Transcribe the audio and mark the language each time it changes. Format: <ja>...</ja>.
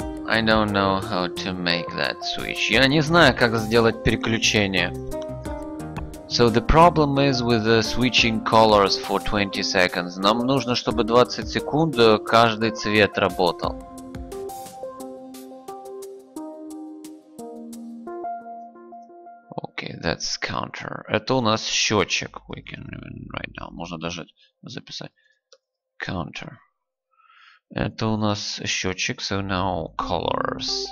<en>I don't know how to make that switch.</en> <ru>Я не знаю, как сделать переключение.</ru> <en>So the problem is with the switching colors for 20 seconds.</en> <ru>Нам нужно, чтобы 20 секунд каждый цвет работал.</ru> <en>Okay, that's counter.</en> <ru>Это у нас счетчик.</ru> <en>We can even write down.</en> <ru>Можно даже записать. Counter. Это у нас счетчик,</ru> <en>so now colors.</en>